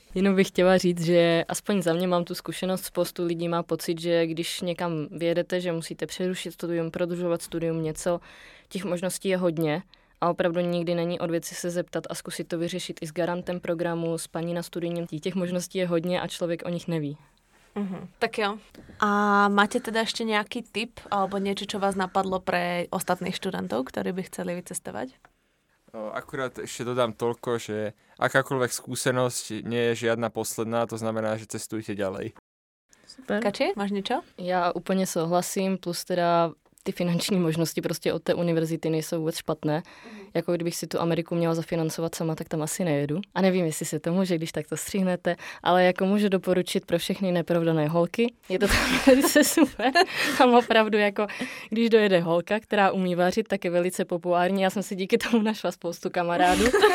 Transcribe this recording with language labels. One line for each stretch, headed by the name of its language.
Czech: Jenom bych chtěla říct, že aspoň za mě mám tu zkušenost, spoustu lidí má pocit, že když někam vyjedete, že musíte přerušit studium, prodlužovat studium, něco, těch možností je hodně a opravdu nikdy není od věci se zeptat a zkusit to vyřešit i s garantem programu, s paní na studijním. Těch možností je hodně a člověk o nich neví. Tak jo. A máte teda ještě nějaký tip alebo něco, co vás napadlo pro ostatných studentů, kteří by chtěli vycestovat?
Slovak: No, akurát ešte dodám toľko, že akákoľvek skúsenosť nie je žiadna posledná, to znamená, že cestujte ďalej. Super. Kači, máš niečo?
Czech: Ja úplne souhlasím, plus teda ty finanční možnosti prostě od té univerzity nejsou vůbec špatné. Jako kdybych si tu Ameriku měla zafinancovat sama, tak tam asi nejedu. A nevím, jestli se to může, když tak to stříhnete, ale jako můžu doporučit pro všechny neprovdané holky. Je to tam velice super. Tam opravdu jako, když dojede holka, která umí vařit, tak je velice populární. Já jsem si díky tomu našla spoustu kamarádů.